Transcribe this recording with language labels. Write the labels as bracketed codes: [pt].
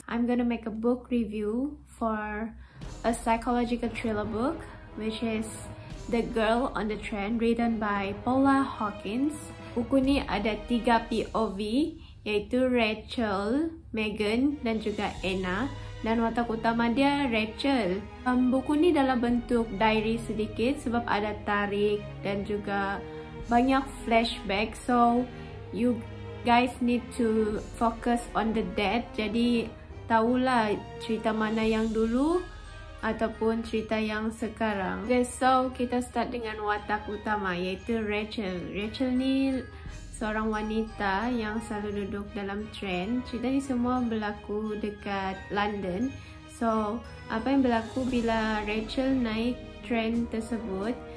[en] I'm gonna make a book review for a psychological thriller book, which is The Girl on the Train, written by Paula Hawkins. [ms] Buku ni ada 3 POV, yaitu Rachel, Megan dan juga Anna. Dan watak utama dia Rachel. Buku ni dalam bentuk diary sedikit sebab ada tarik dan juga banyak flashback. [en] So, you guys need to focus on the death. [ms] Jadi, tahulah cerita mana yang dulu ataupun cerita yang sekarang. Okay, so kita start dengan watak utama iaitu Rachel. Rachel ni seorang wanita yang selalu duduk dalam tren. Cerita ni semua berlaku dekat London. So, apa yang berlaku bila Rachel naik tren tersebut?